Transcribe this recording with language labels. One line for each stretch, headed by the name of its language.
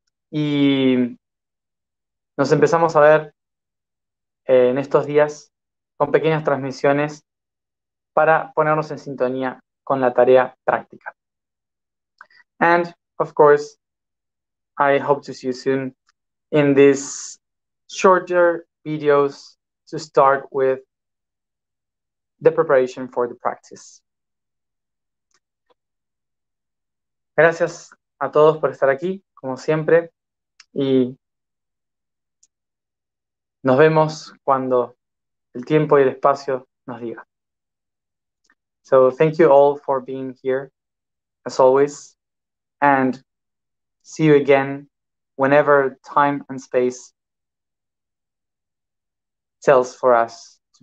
Spanish: Y nos empezamos a ver en estos días con pequeñas transmisiones para ponernos en sintonía con la tarea práctica.
English: And of course, I hope to see you soon in these shorter videos to start with the preparation for the practice.
Spanish: Gracias a todos por estar aquí, como siempre, y nos vemos cuando el tiempo y el espacio nos diga.
English: So thank you all for being here, as always. And see you again whenever time and space tells for us.